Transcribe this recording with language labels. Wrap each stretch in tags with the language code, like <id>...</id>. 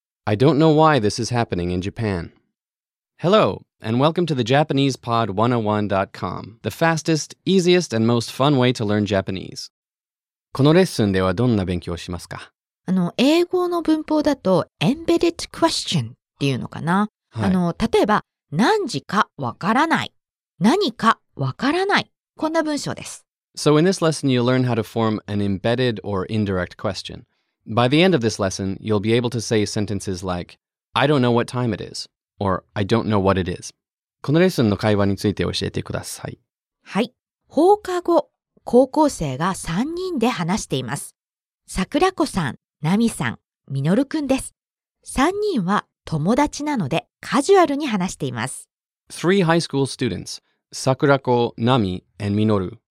<en>I don't know why this is happening in Japan. Hello, and welcome to the JapanesePod101.com, the fastest, easiest, and most fun way to learn Japanese.</en> <ja>このレッスンではどんな勉強をしますか？英語の文法だと Embedded Question っていうのかな、はい、例えば何時かわからない、何かわからない、こんな文章です。</ja> <en>So in this lesson, you'll learn how to form an embedded or indirect question. By the end of this lesson, you'll be able to say sentences like, I don't know what time it is, or I don't know what it is.</en> <ja>このレッスンの会話について教えてください。はい。放課後、高校生が3人で話しています。桜子さん、奈美さん、みのるくんです。3人は友達なのでカジュアルに話しています。</ja> <en>Three high school students, 桜子、奈美、and みのる。</en>